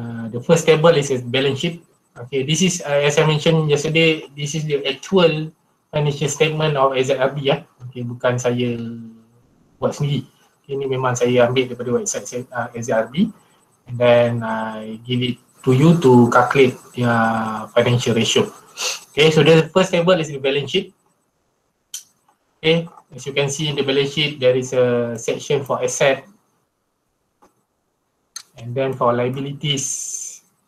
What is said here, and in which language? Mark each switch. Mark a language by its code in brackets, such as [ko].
[en] The first table is a balance sheet. Okay, this is, as I mentioned yesterday, this is the actual financial statement of Aziq RB. Yeah. [ms] Okay, bukan saya buat sendiri. Okay, ini memang saya ambil daripada website Aziq RB. [en] And then I give it to you to calculate the financial ratio. Okay, so the first table is the balance sheet. Okay, as you can see in the balance sheet, there is a section for asset, and then for liabilities.